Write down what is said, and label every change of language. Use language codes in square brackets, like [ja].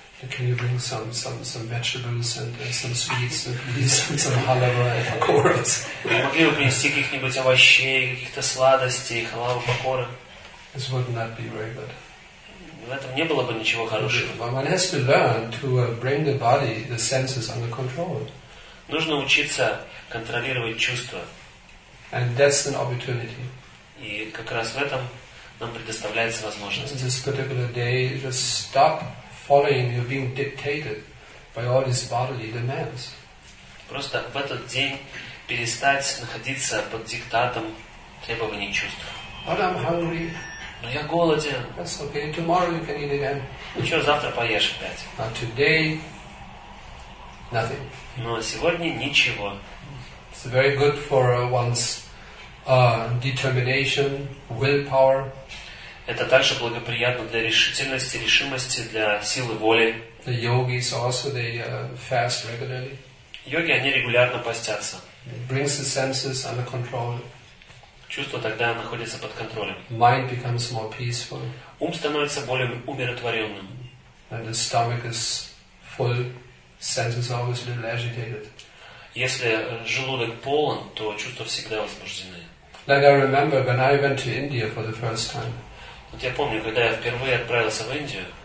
[en] Can you bring some vegetables and some sweets and some halava and pakoras? [ru] Могли бы принести каких-нибудь овощей, каких-то сладостей, халавы, пакоры? [en] This would not be very good. [ru] В этом не было бы ничего хорошего. [en] One has to learn to bring the body, the senses under control. [ru] Нужно учиться контролировать чувства. [en] And that's an opportunity. [ru] И как раз в этом нам предоставляется возможность. [en] This particular day, just stop following, you're being dictated by all these bodily demands. [ru] Просто в этот день перестать находиться под диктатом требований чувств. [en] But I'm hungry. [ru] Но я голоден. [en] That's okay. Tomorrow you can eat again. [ru] Ну что, завтра поешь опять. [en] But today, nothing. [ru] Но сегодня ничего. [en] It's very good for one's determination, willpower. [ru] Это также благоприятно для решительности, решимости, для силы воли. [en] The yogis also, they fast regularly. [ru] Йоги, они регулярно постятся. [en] It brings the senses under control. [ru] Чувство тогда находится под контролем. [en] Mind becomes more peaceful. [ru] Ум становится более умиротворенным. [en] And the stomach is full, senses are always a little agitated. [ru] Если желудок полон, то чувства всегда возбуждены. [en] Like I remember when I went to India for the first time. [ru] Вот я помню, когда я впервые отправился в Индию.